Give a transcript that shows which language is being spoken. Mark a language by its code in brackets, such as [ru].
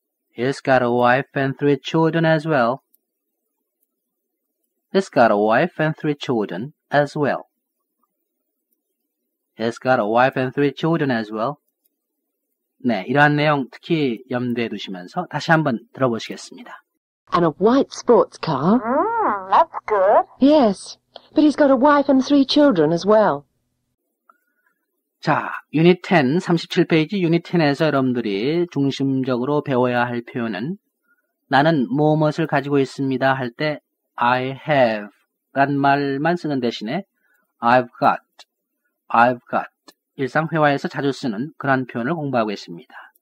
[en] He's got a wife and three children as well. He's got a wife and three children as well. He's got a wife and three children as well. [ko] 네, 이러한 내용 특히 염두에 두시면서 다시 한번 들어보시겠습니다. [en] And a white sports car. That's good. Yes, but he's got a wife and three children as well. [ko] 자, 유닛 10, 37페이지 유닛 10에서 여러분들이 중심적으로 배워야 할 표현은 나는 무엇을 가지고 있습니다 할 때 [en] I have [ko] 란 말만 쓰는 대신에 [en] I've got [ko] 일상 회화에서 자주 쓰는 그런 표현을 공부하고 있습니다.